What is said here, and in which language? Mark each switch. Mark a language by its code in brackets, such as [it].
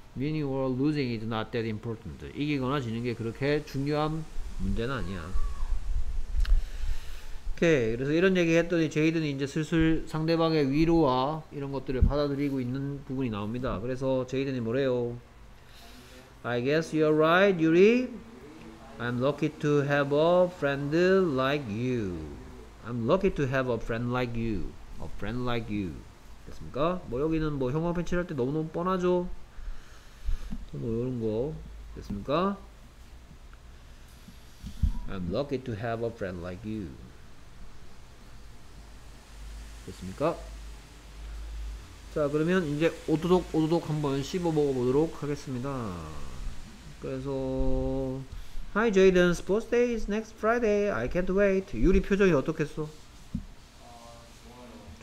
[en] winning or losing is not that important. [ko] 이기거나 지는 게 그렇게 중요한 문제는 아니야. 오케이. 그래서 이런 얘기 했더니 제이든이 이제 슬슬 상대방의 위로와 이런 것들을 받아들이고 있는 부분이 나옵니다. 그래서 제이든이 뭐래요? [en] I guess you're right, Yuri. I'm lucky to have a friend like you. I'm lucky to have a friend like you. A friend like you. [ko] 됐습니까? 뭐 여기는 뭐 형광 펜치를 할 때 너무너무 뻔하죠? 뭐 이런 거. 됐습니까? [en] I'm lucky to have a friend like you. [ko] 됐습니까? 자, 그러면 이제 오도독 오도독 한번 씹어 먹어보도록 하겠습니다. 그래서 [en] Hi Jaden, sports day is next Friday. I can't wait. [ko] 유리 표정이 어떻겠어? 좋아요.